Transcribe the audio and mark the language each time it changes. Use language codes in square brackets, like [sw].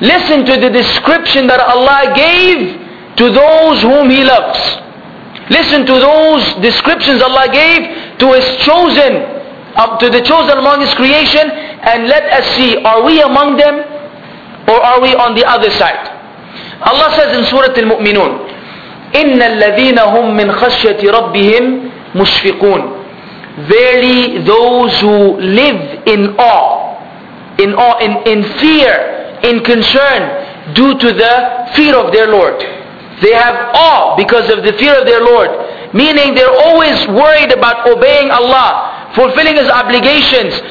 [en] Listen to the description that Allah gave to those whom He loves. Listen to those descriptions Allah gave to His chosen, to the chosen among His creation, and let us see, are we among them or are we on the other side? Allah says in Surah Al-Mu'minun, [ar] إِنَّ الَّذِينَ هُمْ مِنْ خَشْيَةِ رَبِّهِمْ مُشْفِقُونَ. [en] Verily those who live in awe, in fear, in concern due to the fear of their Lord. They have awe because of the fear of their Lord. Meaning they're always worried about obeying Allah, fulfilling His obligations.